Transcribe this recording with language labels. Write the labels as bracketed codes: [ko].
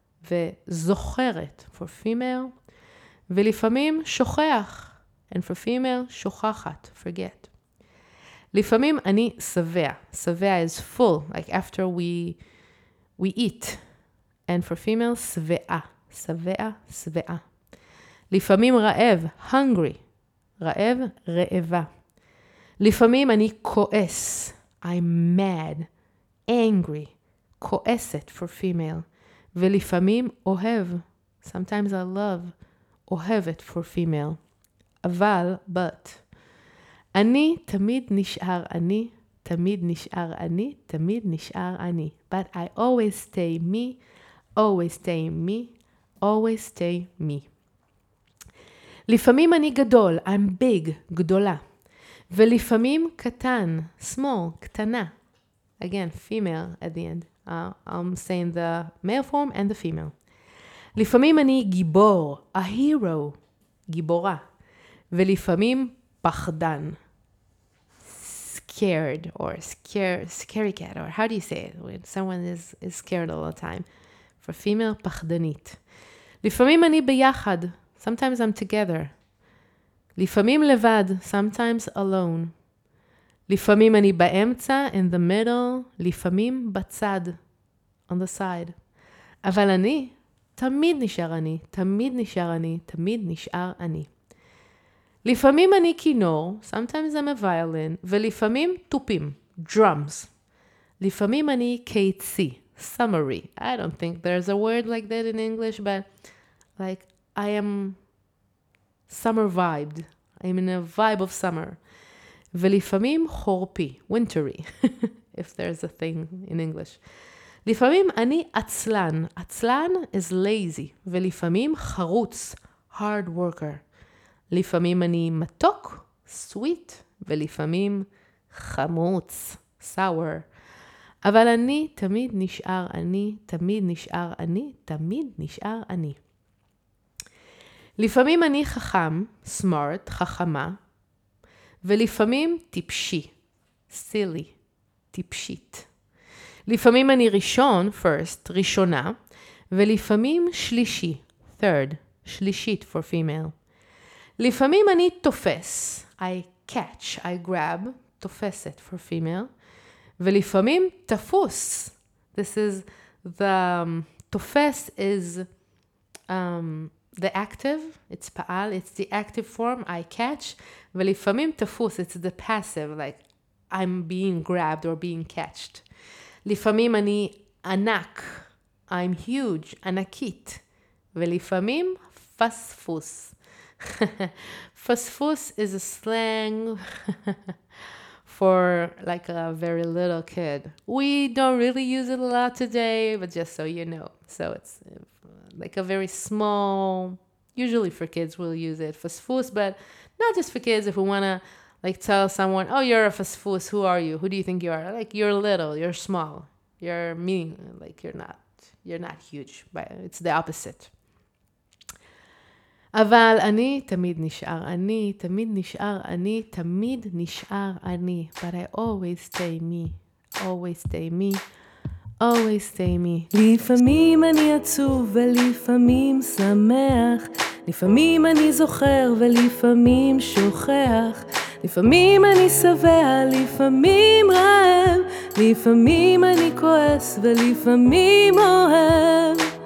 [he] וזוכרת [en] for female, [he] ולפעמים שוכח, [en] and for female, שוכחת, forget. [he] לפעמים אני שבע, [en] שבע is full, like after we eat, and for female, שבעה, שבעה, שבעה. [he] לפעמים רעב, [en] hungry, [he] רעב, רעבה. לפעמים אני כועס, [en] I'm mad, angry, כועסת for female. [he] ולפעמים אוהב, [en] sometimes I love, אוהבת for female. [he] אבל, [en] but. [he] אני תמיד נשאר אני, תמיד נשאר אני, תמיד נשאר אני. [en] But I always stay me, always stay me, always stay me. [he] לפעמים אני גדול, [en] I'm big, [he] גדולה. ולפעמים קטן, small, קטנה. [en] Again, female at the end. I'm saying the male form and the female. [he] לפעמים אני גיבור, [en] a hero, [he] גיבורה. ולפעמים פחדן, [en] scared or scary cat, or how do you say it when someone is scared all the time? For female, פחדנית. [he] לפעמים אני ביחד, [en] sometimes I'm together. [he] לפעמים לבד, [en] sometimes alone. [he] לפעמים אני באמצע, [en] in the middle. [he] לפעמים בצד. [en] On the side. [he] אבל אני, תמיד נשאר אני, תמיד נשאר אני, תמיד נשאר אני. לפעמים אני כינור, [en] sometimes I'm a violin, [he] ולפעמים תופים, drums. לפעמים אני קיצי, [en] summary. I don't think there's a word like that in English, but like I am summer vibed. I'm in a vibe of summer. [he] ולפעמים חורפי, [en] wintery, if there's a thing in English. [he] לפעמים אני עצלן. עצלן [en] is lazy. [he] ולפעמים חרוץ, [en] hard worker. [he] לפעמים אני מתוק, sweet. ולפעמים חמוץ, סאור. אבל אני תמיד נשאר אני, תמיד נשאר אני, תמיד נשאר אני. לפעמים אני חכם, [en] סמארט, [he] חכמה, ולפעמים טיפשי, סילי, טיפשית. לפעמים אני ראשון, [en] first, [he] ראשונה, ולפעמים שלישי, third, שלישית for female. לפעמים אני תופס, [en] I catch, I grab, [he] תופסת for female, ולפעמים תפוס. [en] This is the תופס is the active, it's פעל, it's the active form, I catch, [he] ולפעמים תפוס, [en] it's the passive, like I'm being grabbed or being catched. לפעמים אני ענק, I'm huge, ענקית, ולפעמים פספוס. פספוס is a slang for like a very little kid. We don't really use it a lot today, but just so you know. So it's like a very small, usually for kids we'll use it, פספוס, but not just for kids. If we want to like tell someone, oh, you're a פספוס, who are you? Who do you think you are? Like, you're little, you're small, you're mean, like you're not huge, but it's the opposite. [he] אבל אני תמיד נשאר אני, תמיד נשאר אני, תמיד נשאר אני. [en] But I always stay me, always stay me, always stay me. [he] לפעמים אני עצוב ולפעמים שמח, לפעמים אני זוכר ולפעמים שוכח, לפעמים אני שבע, לפעמים רעב, לפעמים אני כועס ולפעמים אוהב.